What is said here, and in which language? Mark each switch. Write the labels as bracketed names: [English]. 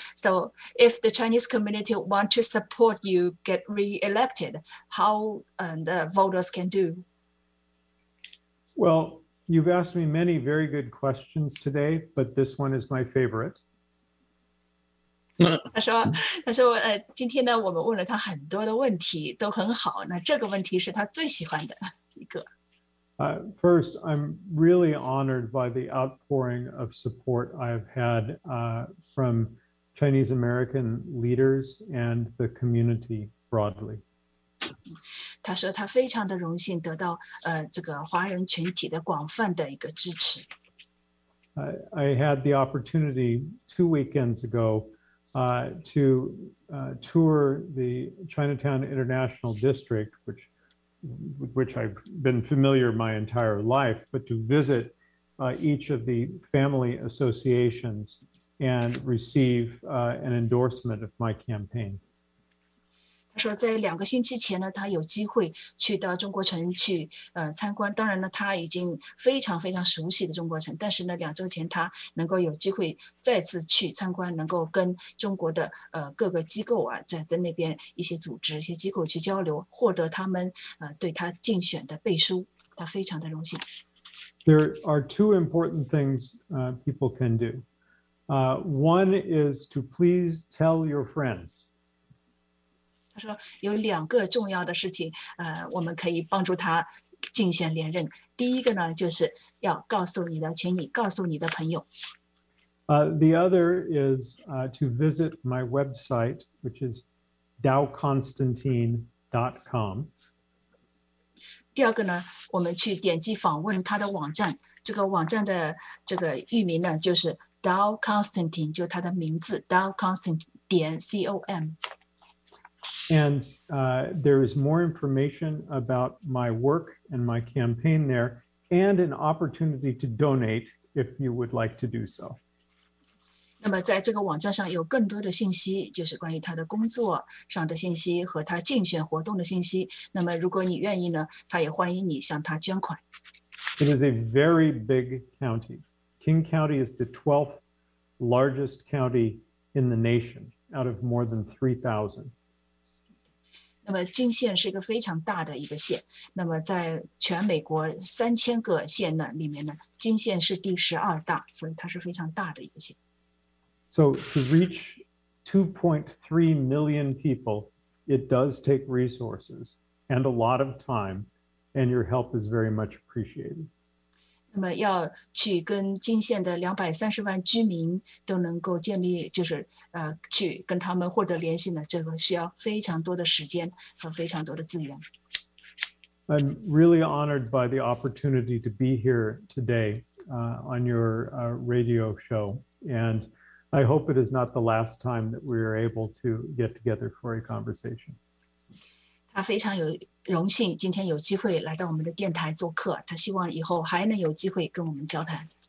[English] So if the Chinese community want to support you get re-elected, how the voters can do? Well, you've asked me many very good questions today, but this one is my favorite. [Chinese] 他说今天呢我们问了他很多的问题都很好，那这个问题是他最喜欢的一个。 [English] First, I'm really honored by the outpouring of support I've had from Chinese American leaders and the community broadly. [Chinese] 他说他非常的荣幸得到这个华人群体的广泛的一个支持。 [English] I had the opportunity 2 weekends ago,tour the Chinatown International District, which I've been familiar my entire life, but to visit each of the family associations and receive an endorsement of my campaign. [Chinese] 他说在两个星期前呢，他有机会去到中国城去参观，当然呢他已经非常非常熟悉的中国城，但是呢两周前他能够有机会再次去参观，能够跟中国的各个机构啊在那边一些组织一些机构去交流，获得他们对他竞选的背书，他非常的荣幸。 [English] There are two important things people can do. One is to please tell your friends. [Chinese] 他说有两个重要的事情，我们可以帮助他竞选连任。第一个呢，就是要告诉你的，请你告诉你的朋友。 [English] The other is to visit my website, which is dowconstantine.com. [Chinese] 第二个呢，我们去点击访问他的网站。这个网站的这个域名呢，就是 Dow Constantine， 就他的名字 Dow Constantine .com。 [English] And there is more information about my work and my campaign there, and an opportunity to donate if you would like to do so. [Chinese] 那么在这个网站上有更多的信息，就是关于他的工作上的信息和他竞选活动的信息。那么如果你愿意呢，他也欢迎你向他捐款。 [English] It is a very big county. King County is the 12th largest county in the nation out of more than 3,000. [Chinese] 那么金县是一个非常大的一个县，那么在全美国3000个县呢里面呢，金县是第12大，所以它是非常大的一个县。 [English] So to reach 2.3 million people, it does take resources and a lot of time, and your help is very much appreciated. [Chinese] 那么要去跟金县的230万居民都能够建立，就是去跟他们获得联系呢，这个需要非常多的时间和非常多的资源。 [English] I'm really honored by the opportunity to be here today on your radio show, and I hope it is not the last time that we are able to get together for a conversation. [Chinese] 他非常有荣幸今天有机会来到我们的电台做客，他希望以后还能有机会跟我们交谈。